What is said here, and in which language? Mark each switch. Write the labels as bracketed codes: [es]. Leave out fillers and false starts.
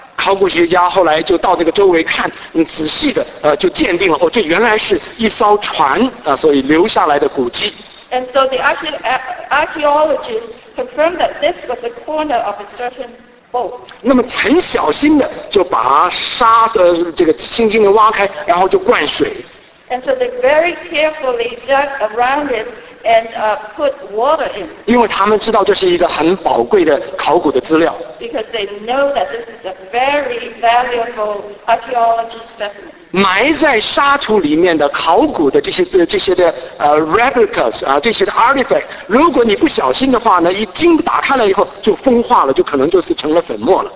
[zh] 考古学家后来就到这个周围看，仔细的就鉴定了，哦，这原来是一艘船所以留下来的古迹。 [en] And so the archaeologists confirmed that this was a corner of a certain boat. [zh] 那么很小心的就把沙的这个轻轻的挖开，然后就灌水。 [en] And so they very carefully dug around it and put water in. [zh] 因为他们知道这是一个很宝贵的考古的资料。 [en] Because they know that this is a very valuable archaeology specimen. [zh] 埋在沙土里面的考古的这些的replicas 啊，这些的 artifact， 如果你不小心的话呢，一经打开了以后就风化了，就可能就是成了粉末了。